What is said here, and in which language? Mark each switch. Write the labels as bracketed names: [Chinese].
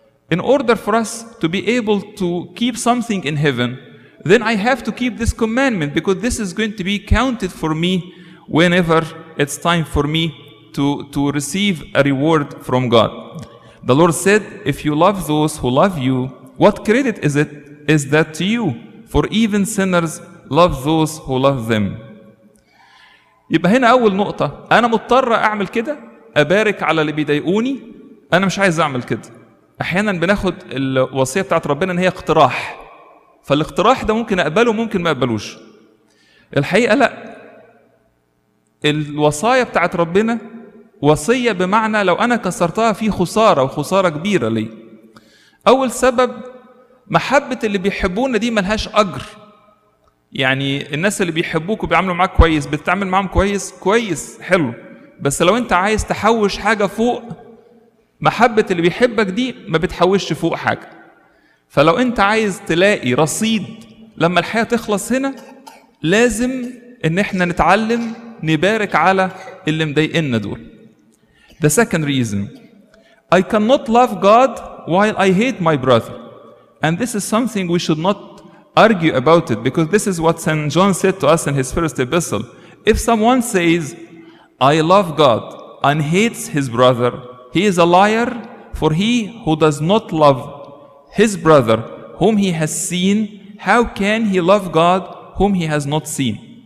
[English] In order for us to be able to keep something in heaven, then I have to keep this commandment, because this is going to be counted for me whenever it's time for me to receive a reward from God. The Lord said, if you love those who love you, what credit is it? Is that to you? For even sinners love those who love them. [Arabic] يبقى هنا أول نقطة، أنا مضطر أعمل كده، أبارك على اللي بيضايقوني، أنا مش عايز أعمل كده. أحيانا بناخد الوصية بتاعت ربنا إن هي اقتراح، فالاقتراح ده ممكن أقبله ممكن ما أقبلوش. الحقيقة لأ، الوصايا بتاعت ربنا وصية، بمعنى لو أنا كسرتها في خسارة، وخسارة كبيرة لي. أول سبب، محبة اللي بيحبونا دي ملهاش أجر. يعني الناس اللي بيحبوك وبيعملوا معاك كويس، بتتعامل معهم كويس، كويس حلو، بس لو انت عايز تحوش حاجة فوق، محبة اللي بيحبك دي ما بتحوشش فوق حاجة. فلو انت عايز تلاقي رصيد لما الحياة تخلص هنا، لازم ان احنا نتعلم نبارك على اللي مضايقنا دول. [English] The second reason, I cannot love God while I hate my brother. And this is something we should not argue about it, because this is what St. John said to us in his first epistle. If someone says, I love God and hates his brother, he is a liar, for he who does not love his brother whom he has seen, how can he love God whom he has not seen?